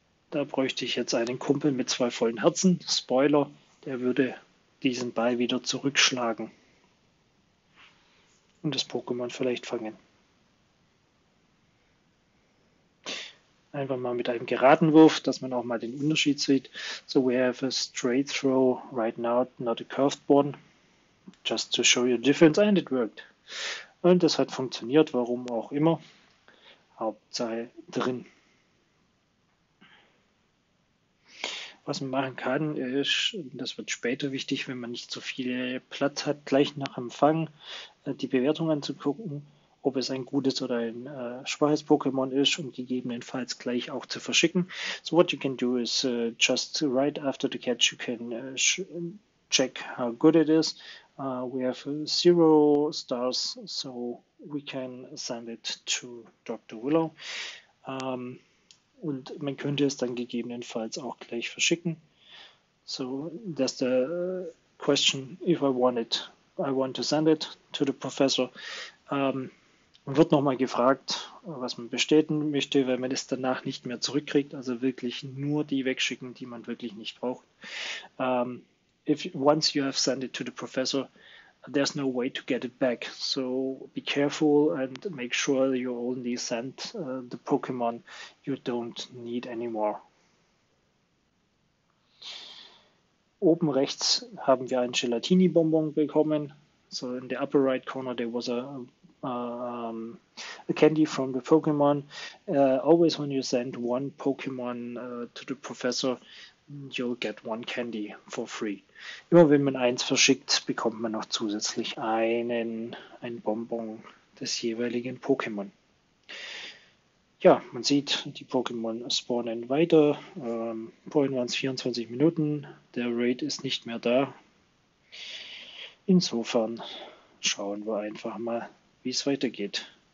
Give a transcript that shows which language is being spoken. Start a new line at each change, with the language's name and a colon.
German: Da bräuchte ich jetzt einen Kumpel mit zwei vollen Herzen. Spoiler, der würde diesen Ball wieder zurückschlagen und das Pokémon vielleicht fangen. Einfach mal mit einem geraden Wurf, dass man auch mal den Unterschied sieht.
English: So, we have a straight throw right now, not a curved one. Just to show you the difference, and it worked.
German: Und es hat funktioniert, warum auch immer. Hauptsache drin. Was man machen kann, ist, das wird später wichtig, wenn man nicht so viel Platz hat, gleich nach Empfang die Bewertung anzugucken, ob es ein gutes oder ein schwaches Pokémon ist und gegebenenfalls gleich auch zu verschicken.
English: So what you can do is just right after the catch you can check how good it is. We have 0 stars, so we can send it to Dr. Willow.
German: Und man könnte es dann gegebenenfalls auch gleich verschicken.
English: So that's the question if I want to send it to the professor.
German: Man wird nochmal gefragt, was man bestätigen möchte, wenn man es danach nicht mehr zurückkriegt. Also wirklich nur die wegschicken, die man wirklich nicht braucht.
English: Once you have sent it to the professor, there's no way to get it back. So be careful and make sure you only send the Pokémon you don't need anymore.
German: Oben rechts haben wir ein Gelatini-Bonbon bekommen.
English: So in the upper right corner there was a candy from the Pokemon. Always when you send one Pokemon to the professor, you'll get one candy for free.
German: Immer wenn man eins verschickt, bekommt man noch zusätzlich ein Bonbon des jeweiligen Pokémon. Ja, man sieht, die Pokémon spawnen weiter. Vorhin waren es 24 Minuten. Der Raid ist nicht mehr da. Insofern schauen wir einfach mal, wie es weitergeht.